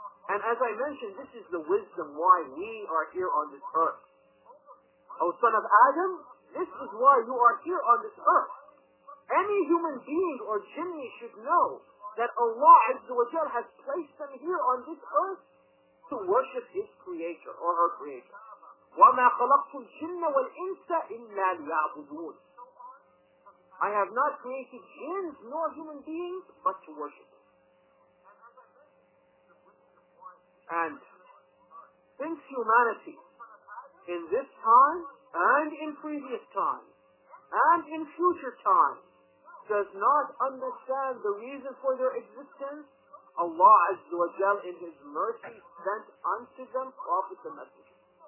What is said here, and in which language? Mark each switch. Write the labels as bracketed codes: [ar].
[en] And as I mentioned, this is the wisdom why we are here on this earth. O son of Adam, this is why you are here on this earth. Any human being or jinni should know that Allah Azza wa Jal has placed them here on this earth to worship His creator or her creator. [ar] وما خلقت الجن والإنس إلا ليعبدون. [en] I have not created jinns nor human beings but to worship. And since humanity in this time and in previous times and in future times does not understand the reason for their existence, Allah Azza wa Jal in His mercy sent unto them prophets and messengers.